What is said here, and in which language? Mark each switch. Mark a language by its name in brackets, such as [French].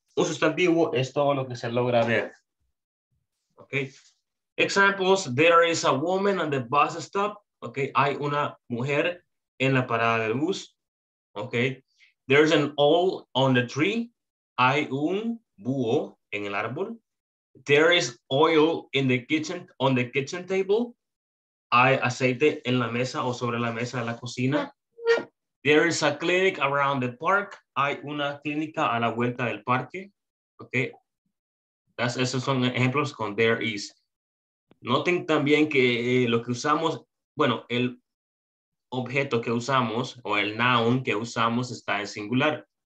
[Spanish] Un sustantivo es todo lo que se logra ver. [English] Okay? Examples, there is a woman on the bus stop. Okay? [Spanish] Hay una mujer en la parada del bus. [English] Okay. There's an owl on the tree. [Spanish] Hay un búho en el árbol. [English] There is oil in the kitchen, on the kitchen table. [Spanish] Hay aceite en la mesa o sobre la mesa de la cocina. [English] There is a clinic around the park. [Spanish] Hay una clínica a la vuelta del parque. Okay. Esos son ejemplos con there is. Noten también que lo que usamos, bueno, el objeto que usamos o el noun que usamos está en singular.